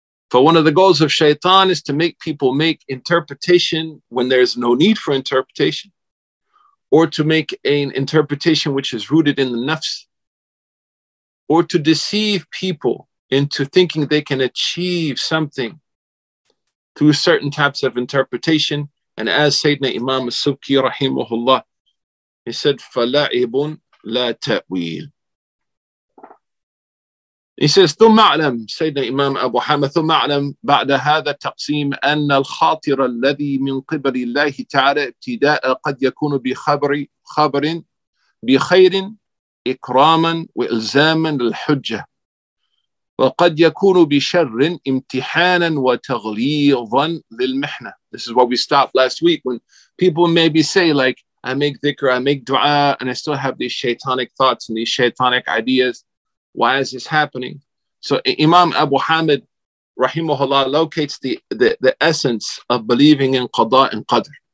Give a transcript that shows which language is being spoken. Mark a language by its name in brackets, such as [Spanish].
[English] But one of the goals of Shaytan is to make people make interpretation when there's no need for interpretation, or to make an interpretation which is rooted in the nafs, or to deceive people into thinking they can achieve something through certain types of interpretation. And as Sayyidina Imam As-Subki rahimahullah, he said, [Arabic] فَلَعِبٌ لَا تَأْوِيلٌ. [English] He says, [Arabic] ثم أعلم, Sayyidina Imam Abu Hamid, ثم أعلم بعد هذا التقسيم أن الخاطر الذي من قبل الله تعالى ابتداء قد يكون بخبر خبر بخير إكراما وإلزاما للحجة وقد يكون بشر امتحانا وتغليظا للمحنة. [English] This is what we stopped last week, when people maybe say, like, I make dhikr, I make dua, and I still have these shaitanic thoughts and these shaitanic ideas. Why is this happening? So Imam Abu Hamid, rahimahullah, locates the essence of believing in qada and qadr.